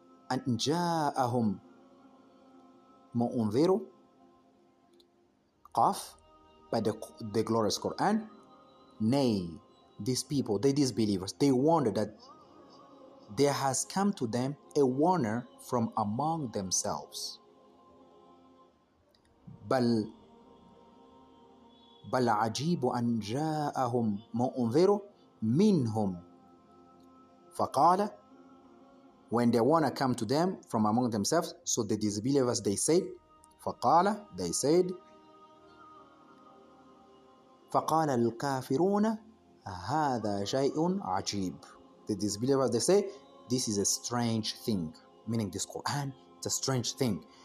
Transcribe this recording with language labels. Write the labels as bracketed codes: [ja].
[ar] أن جاءهم مؤنذر قاف [en] by the glorious Quran. Nay, these people, the disbelievers, they wonder that there has come to them a warner from among themselves. [ar] بل عجيب أن جاءهم مؤنذر منهم. فقال, [en] when the warner came to them from among themselves, so the disbelievers, they said, فقال, they said, [ar] فقال الكافرون هذا شيء عجيب. [en] The disbelievers, they say, this is a strange thing, meaning this Quran, it's a strange thing.